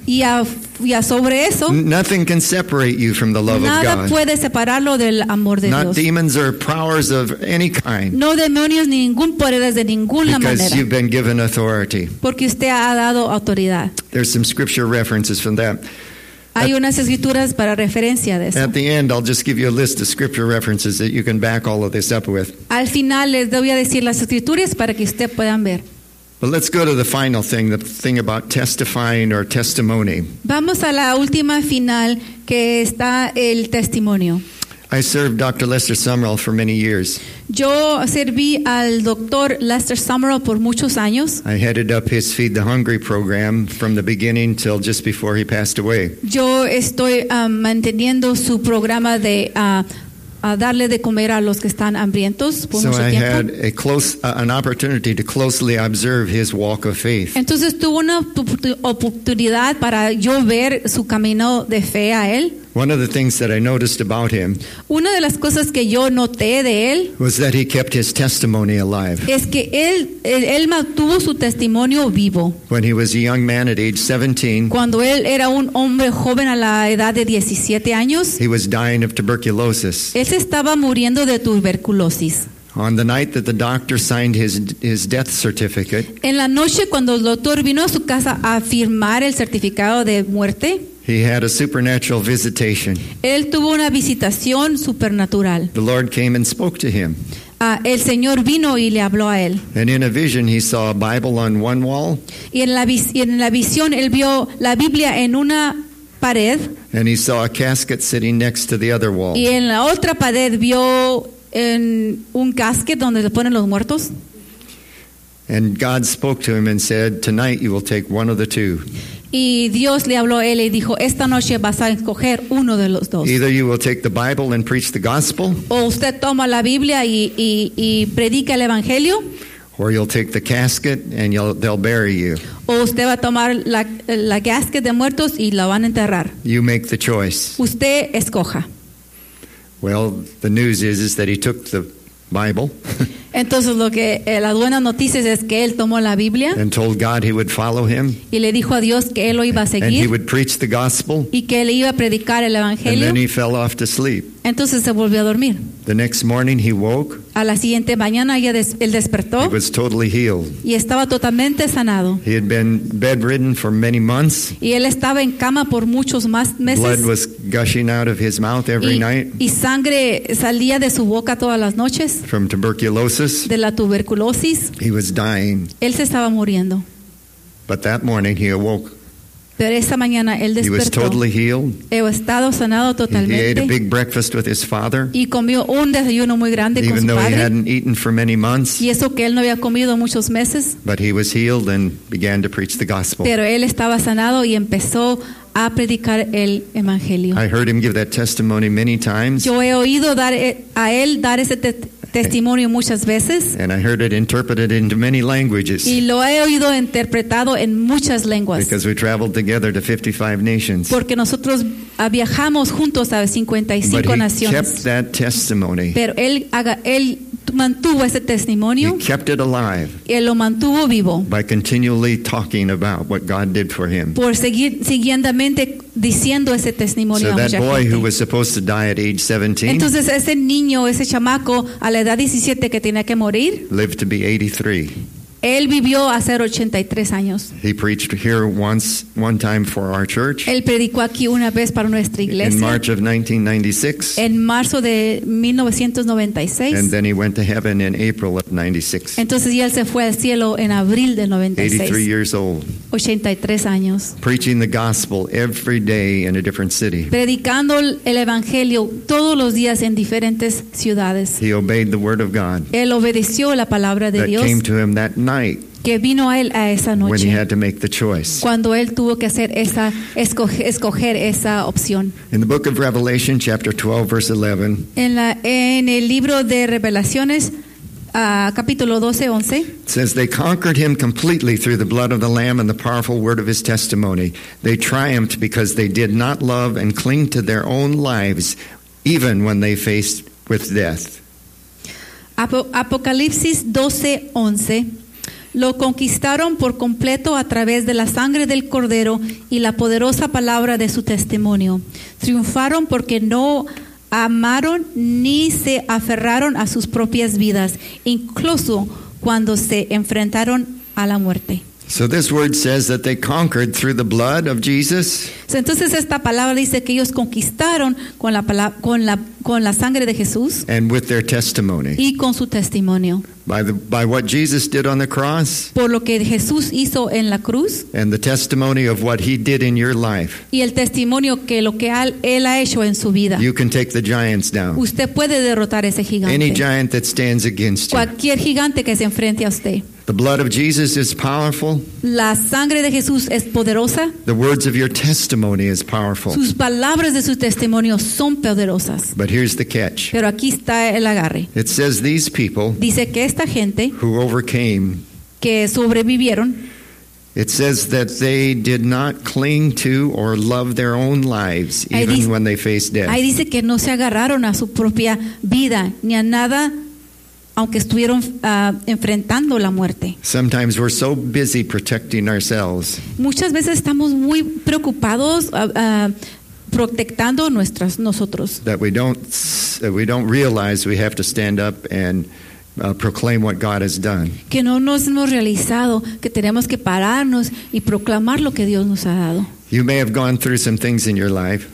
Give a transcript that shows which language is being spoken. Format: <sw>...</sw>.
<es>y a sobre eso,</es> <en>nothing can separate you from the love of God.</en> <es>Nada puede separarlo del amor de</es> <en>Not</en> <es>Dios.</es> <en>Not demons or powers of any kind.</en> <es>No demonios ni ningún poder de ninguna</es> <en>because</en> <es>manera.</es> <en>Because you've been given authority.</en> <es>Porque usted ha dado autoridad.</es> <en>There's some scripture references from that.</en> <es>Hay unas escrituras para referencia de eso.</es> <en>At the end, I'll just give you a list of scripture references that you can back all of this up with.</en> <es>Al final les voy a decir las escrituras para que usted puedan ver.</es> <en>But let's go to the final thing, the thing about testifying or testimony.</en> <es>Vamos a la última final que está el testimonio.</es> <en>I served Dr. Lester Sumrall for many years.</en> <es>Yo serví al Dr. Lester Sumrall por muchos años.</es> <en>I headed up his Feed the Hungry program from the beginning till just before he passed away.</en> <es>Yo estoy manteniendo su programa de a darle de comer a los que están hambrientos por mucho tiempo.</es> <en>So I had an opportunity to closely observe his walk of faith.</en> <es>Entonces tuve una oportunidad para yo ver su camino de fe a él.</es> <en>One of the things that I noticed about him,</en> <es>una de las cosas que yo noté de él,</es> <en>was that he kept his testimony alive.</en> <es>Es que él mantuvo su testimonio vivo.</es> <en>When he was a young man at age 17,</en> <es>cuando él era un hombre joven a la edad de 17 años,</es> <en>he was dying of tuberculosis.</en> <es>Él se estaba muriendo de tuberculosis.</es> <en>On the night that the doctor signed his death certificate,</en> <es>en la noche cuando el doctor vino a su casa a firmar el certificado de muerte,</es> <en>he had a supernatural visitation.</en> <es>Él tuvo una visitación supernatural.</es> <en>The Lord came and spoke to him.</en> <es>El Señor vino y le habló a él.</es> <en>And in a vision, he saw a Bible on one wall.</en> <es>Y en la visión, él vio la Biblia en una pared.</es> <en>And he saw a casket sitting next to the other wall.</en> <es>Y en la otra pared vio en un casket donde se ponen los muertos.</es> <en>And God spoke to him and said, "Tonight you will take one of the two."</en> <es>Y Dios le habló a él y dijo, esta noche vas a escoger uno de los dos.</es> <en>Either you will take the Bible and preach the gospel,</en> <es>o usted toma la Biblia y predica el Evangelio,</es> <en>or you'll take the casket and they'll bury you.</en> <es>O usted va a tomar la casket de muertos y la van a enterrar.</es> <en>You make the choice.</en> <es>Usted escoja.</es> <en>Well, the news is that he took the Bible.</en> <es>Entonces lo que las buenas noticias es que él tomó la Biblia.</es> <en>And told God he would follow him.</en> <es>Y le dijo a Dios que él lo iba a seguir.</es> <en>And he would preach the gospel.</en> <es>Y que él iba a predicar el evangelio.</es> <en>And then he fell off to sleep.</en> <es>Entonces se volvió a dormir.</es> <en>The next morning he woke.</en> <es>A la siguiente mañana él despertó.</es> <en>He was totally healed.</en> <es>Y estaba totalmente sanado.</es> <en>He had been bedridden for many months.</en> <es>Y él estaba en cama por muchos más meses.</es> <en>Blood was gushing out of his mouth every night.</en> <es>Y sangre salía de su boca todas las noches.</es> <en>From tuberculosis.</en> <es>De la tuberculosis.</es> <en>He was dying.</en> <es>Él se estaba muriendo.</es> <en>But that morning he awoke.</en> <es>Pero esa mañana él despertó.</es> <en>He was totally healed.</en> <es>He estado sanado totalmente.</es> <en>He ate a big breakfast with his father.</en> <es>Y comió un desayuno muy grande</es> <en>Even</en> <es>con su padre.</es> <en>Even though he hadn't eaten for many months.</en> <es>Y eso que él no había comido muchos meses.</es> <en>But he was healed and began to preach the gospel.</en> <es>Pero él estaba sanado y empezó a predicar el evangelio.</es> <en>I heard him give that testimony many times.</en> <es>Yo he oído dar ese testimonio muchas veces.</es> <en>And I heard it interpreted into many languages.</en> <es>Y lo he oído interpretado en muchas lenguas.</es> <en>Because we traveled together to 55 nations.</en> <es>Porque nosotros viajamos juntos a 55 naciones.</es> <en>But he kept that testimony.</en> <es>Pero él mantuvo ese testimonio.</es> <en>He kept it alive.</en> <es>Y él lo mantuvo vivo.</es> <en>By continually talking about what God did for him.</en> <es>Por seguir siguiendamente diciendo ese testimonio</es> <en>so a that</en> <es>mucha</es> <en>boy</en> <es>gente.</es> <en>Who was supposed to die at age 17,</en> <es>entonces ese niño, ese chamaco a la edad 17 que tenía que morir,</es> <en>lived to be 83.</en> <es>Él vivió a ser 83 años.</es> <en>He preached here one time for our church.</en> <es>Él predicó aquí una vez para nuestra iglesia.</es> <en>In March of 1996.</en> <es>En marzo de 1996.</es> <en>And then he went to heaven in April of 96.</en> <es>Entonces él se fue al cielo en abril de 96.</es> <en>83 years old.</en> <es>83 años.</es> <en>Preaching the gospel every day in a different city.</en> <es>Predicando el evangelio todos los días en diferentes ciudades.</es> <en>He obeyed the word of God.</en> <es>Él obedeció la palabra de Dios.</es> <en>That came to him that night.</en> <es>Que vino a él a esa noche.</es> <en>When he had to make the choice.</en> <es>Cuando él tuvo que hacer esa escoger esa opción.</es> <en>In the book of Revelation, chapter 12, verse 11.</en> <es>En el libro de Revelaciones, capítulo 12, 11.</es> <en>Since they conquered him completely through the blood of the Lamb and the powerful word of his testimony, they triumphed because they did not love and cling to their own lives even when they faced with death.</en> <es>Apocalipsis 12:11. Lo conquistaron por completo a través de la sangre del Cordero y la poderosa palabra de su testimonio. Triunfaron porque no amaron ni se aferraron a sus propias vidas, incluso cuando se enfrentaron a la muerte.</es> <en>So this word says that they conquered through the blood of Jesus.</en> <es>So entonces esta palabra dice que ellos conquistaron con la sangre de Jesús.</es> <en>And with their testimony.</en> <es>Y con su testimonio.</es> <en>By what Jesus did on the cross.</en> <es>Por lo que Jesús hizo en la cruz.</es> <en>And the testimony of what he did in your life.</en> <es>Y el testimonio que lo que él ha hecho en su vida.</es> <en>You can take the giants down.</en> <es>Usted puede derrotar ese gigante.</es> <en>Any giant that stands against you.</en> <es>Cualquier gigante que se enfrente a usted.</es> <en>The blood of Jesus is powerful.</en> <es>La sangre de Jesús es poderosa.</es> <en>The words of your testimony is powerful.</en> <es>Sus palabras de su testimonio son poderosas.</es> <en>But here's the catch.</en> <es>Pero aquí está el agarre.</es> <en>It says these people.</en> <es>Dice que esta gente.</es> <en>Who overcame.</en> <es>Que sobrevivieron.</es> <en>It says that they did not cling to or love their own lives even when they faced death.</en> <es>Ahí dice que no se agarraron a su propia vida ni a nada. Aunque estuvieron enfrentando la muerte.</es> <en>Sometimes we're so busy protecting ourselves.</en> <es>Muchas veces estamos muy preocupados protectando nuestras nosotros.</es> <en>That we don't realize we have to stand up and proclaim what God has done.</en> <es>Que no nos hemos realizado que tenemos que pararnos y proclamar lo que Dios nos ha dado.</es> <en>You may have gone through some things in your life.</en>